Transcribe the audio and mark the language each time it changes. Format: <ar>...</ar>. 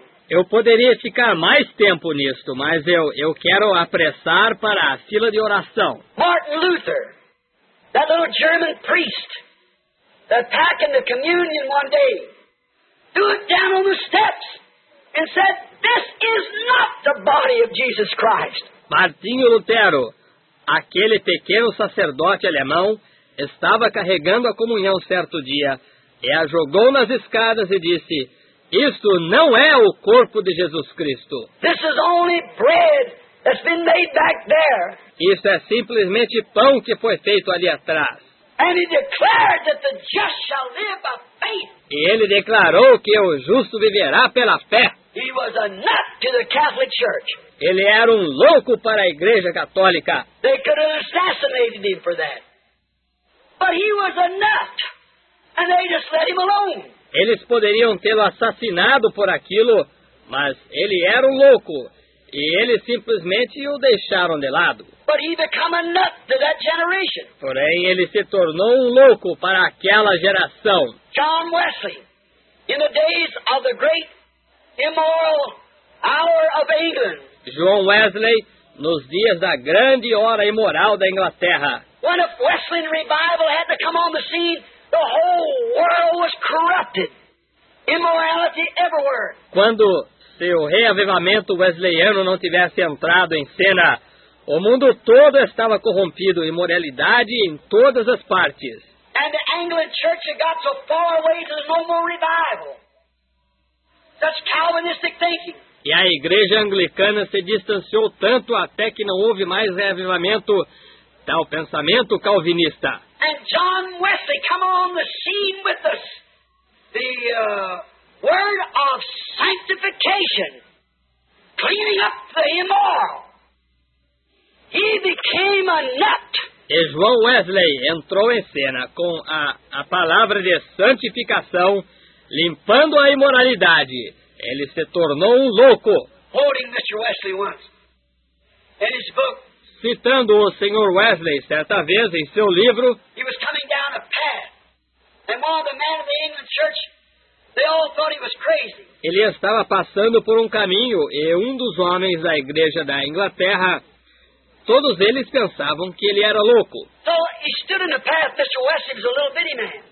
<pt>Eu poderia ficar mais tempo nisto, mas eu quero apressar para a fila de oração.</pt> <en>Martin Luther, that little German priest, that packing the communion one day, threw it down on the steps and said, "This is not the body of Jesus Christ."</en> <pt>Martinho Lutero, aquele pequeno sacerdote alemão, estava carregando a comunhão certo dia e a jogou nas escadas e disse, isto não é o corpo de Jesus Cristo.</pt> <en>This is only bread that's been made back there.</en> <pt>Isso é simplesmente pão que foi feito ali atrás.</pt> <en>And he declared that the just shall live by faith.</en> <pt>E ele declarou que o justo viverá pela fé.</pt> <en>He was a nut to the Catholic Church.</en> <pt>Ele era um louco para a Igreja Católica.</pt> <en>They could have assassinated him for that. But he was a nut, and they just let him alone.</en> <pt>Eles poderiam tê-lo assassinado por aquilo, mas ele era um louco, e eles simplesmente o deixaram de lado.</pt> <en>But he became a nut to that generation.</en> <pt>Porém, ele se tornou um louco para aquela geração.</pt> <en>John Wesley, in the days of the great immoral hour of England,</en> <pt>João Wesley nos dias da grande hora imoral da Inglaterra. Quando o</pt> <en>Wesleyan Revival had to come on the scene, the whole world was corrupted. Immorality everywhere.</en> <pt>Quando seu reavivamento wesleyano não tivesse entrado em cena, o mundo todo estava corrompido, imoralidade em todas as partes.</pt> <en>And the Anglican Church had got so far away there's no more revival. That's Calvinistic thinking.</en> <pt>E a igreja anglicana se distanciou tanto até que não houve mais reavivamento, tal pensamento calvinista.</pt> <en>And John Wesley come on the scene with us. The word of sanctification, cleaning up the immoral. He became a nut.</en> <pt>E João Wesley entrou em cena com a palavra de santificação, limpando a imoralidade. Ele se tornou um louco.</pt> <en>Quoting Mr. Wesley once, in his book,</en> <pt>citando o Sr. Wesley certa vez em seu livro,</pt> <en>he was coming down a path, and while the men of the England church, they all thought he was crazy.</en> <pt>Ele estava passando por um caminho, e um dos homens da igreja da Inglaterra, todos eles pensavam que ele era louco.</pt> <en>So he stood in the path, Mr. Wesley was a little bitty man.</en>